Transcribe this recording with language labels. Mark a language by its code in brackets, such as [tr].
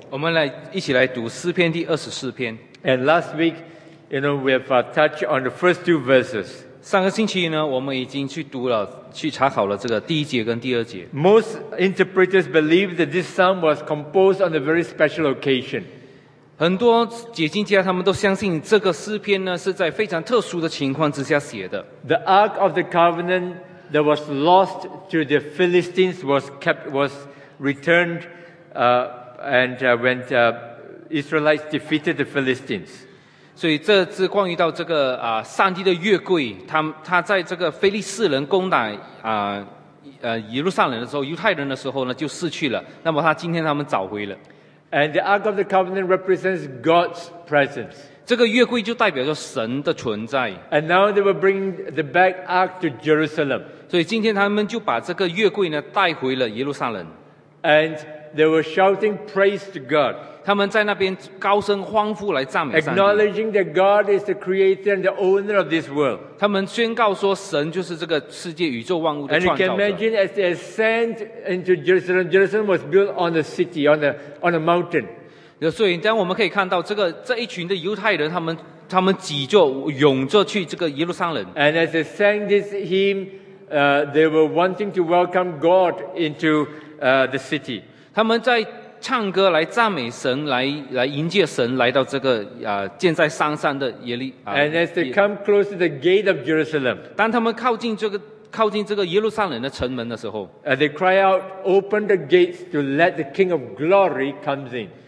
[zh] 我们一起来读诗篇第二十四篇。 [en] And last week, you know, we have touched on the first two verses. [zh] 上个星期呢，我们已经去读了，去查考了这个第一节跟第二节。 [en] Most interpreters believe that this psalm was composed on a very special occasion. [zh] 很多解经家他们都相信这个诗篇呢是在非常特殊的情况之下写的。 [en] The Ark of the Covenant that was lost to the Philistines was returned, and when Israelites defeated the Philistines. [zh] 所以这是关于到这个上帝的约柜，他在这个腓力士人攻打耶路撒冷的时候，犹太人的时候呢就失去了。那么他今天他们找回了。 [en] And the Ark of the Covenant represents God's presence. [zh] 这个约柜就代表着神的存在。 [en] And now they will bring the back Ark to Jerusalem. [zh] 所以今天他们就把这个约柜呢带回了耶路撒冷。 [en] And they were shouting praise to God. [zh] 他们在那边高声欢呼来赞美上帝。 [en] Acknowledging that God is the creator and the owner of this world. [zh] 他们宣告说神就是这个世界宇宙万物的创造者。 [en] And you can imagine as they ascend into Jerusalem, Jerusalem was built on a city, on a mountain. [zh] 所以当我们可以看到这一群的犹太人他们挤着涌着去这个耶路撒冷。 [en] And as they sang this hymn, they were wanting to welcome God into the city. [zh] 他们在唱歌来赞美神， 来迎接神来到这个建在山上的耶利。 [en] And as they come close to the gate of Jerusalem, [zh] 当他们靠近这个耶路撒冷的城门的时候， [en] and they cry out, "Open the gates to let the King of Glory come in."